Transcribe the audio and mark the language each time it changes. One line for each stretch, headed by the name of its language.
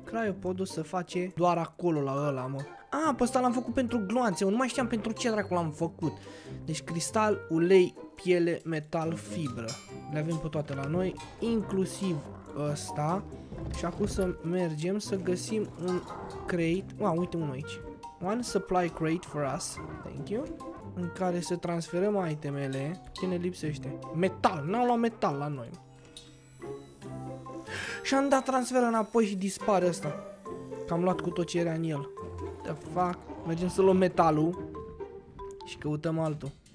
Romanian: Cryopodul se face doar acolo la ăla mă. Ah, pe ăsta l-am făcut pentru gloanțe, nu mai știam pentru ce dracu l-am făcut. Deci cristal, ulei, piele, metal, fibră. Le avem pe toate la noi, inclusiv ăsta. Și acum să mergem să găsim un crate. Wow, uite unul aici.
English: One supply crate for us, thank you.
Romanian: În care să transferăm itemele. Ce ne lipsește? Metal! N-au luat metal la noi. Și-am dat transferul înapoi și dispare ăsta. Că am luat cu tot ce era în el.
English: The fuck?
Romanian: Mergem să luăm metalul. Și căutăm altul.